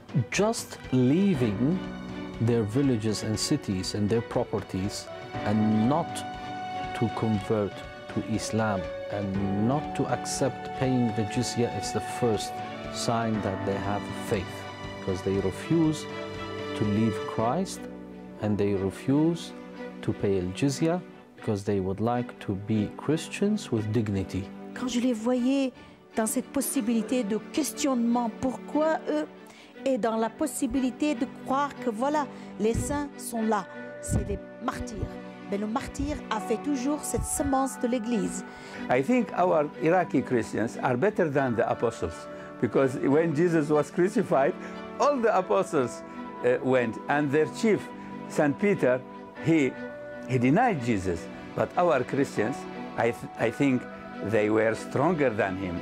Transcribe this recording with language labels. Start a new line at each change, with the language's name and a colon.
English: Just leaving their villages and cities and their properties and not to convert to Islam and not to accept paying the jizya is the first sign that they have faith, because they refuse to leave Christ and they refuse to pay the jizya because they would like to be Christians with dignity.
French: Quand je les voyais dans cette possibilité de questionnement, pourquoi eux, et dans la possibilité de croire que voilà, les saints sont là, c'est les martyrs. Mais le martyr a fait toujours cette semence de l'Église.
English: I think our Iraqi Christians are better than the apostles, because when Jesus was crucified, all the apostles went, and their chief, Saint Peter, he denied Jesus. But our Christians, I think they were stronger than him.